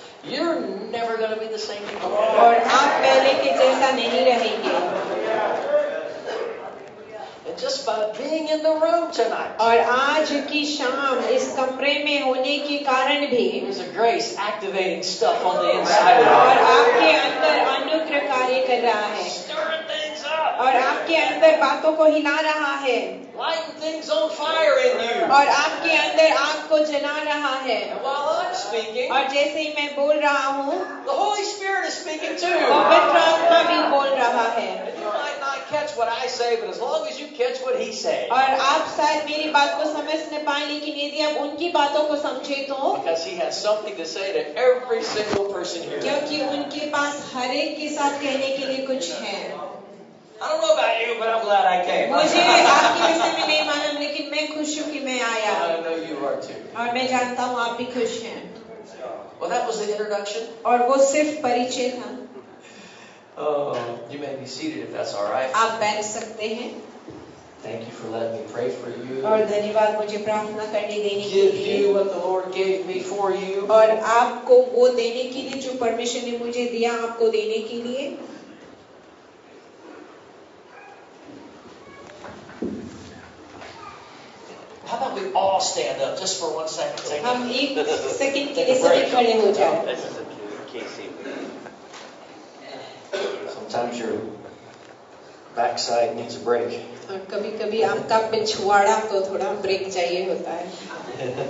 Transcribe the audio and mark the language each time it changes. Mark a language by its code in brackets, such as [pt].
[en] You're never going to be the same people. [hi] और आप पहले के जैसा नहीं रहेंगे [en] Just by being in the room tonight. [hi] और आज की शाम इस कमरे में होने के कारण भी [en] There's a grace activating stuff on the inside. [hi] और आपके अंदर अनुग्रह कार्य कर रहा है [en] Stirring things up. [hi] और आपके अंदर बातों को हिला रहा है [en] Lighting things on fire in you. [hi] और आपके अंदर आग को जला रहा है [en] While I'm speaking, [hi] और जैसे ही मैं बोल रहा हूँ [en] The Holy Spirit is speaking too. [hi] और पवित्र आत्मा भी बोल रहा है [en] catch what I say, but as long as you catch what he says. [hi] और आप शायद मेरी बात को समझ नहीं पाए लेकिन यदि आप उनकी बातों को समझे तो [en] Because he has something to say to every single person here. [hi] क्योंकि उनके पास हर एक के साथ कहने के लिए कुछ है मुझे आपके विषय में नहीं मालूम लेकिन मैं खुश हूँ कि मैं आया और मैं जानता हूँ आप भी खुश हैं [en] Well, that was the introduction. [hi] और वो सिर्फ परिचय था [en] You may be seated if that's all right. [hi] आप बैठ सकते हैं. [en] Thank you for letting me pray for you. [hi] और धन्यवाद मुझे प्रार्थना करने देने के लिए. [en] Give you what the Lord gave me for you. [hi] और आपको वो देने के लिए जो परमिशन ने मुझे दिया आपको देने के लिए. [en] How about we all stand up just for one second? [hi] हम एक सेकंड के लिए सभी खड़े हो जाएं. [en] This is a KC. Sometimes your backside needs a break. [hi] और कभी कभी आपका पिछवाड़ा को थोड़ा ब्रेक चाहिए होता है.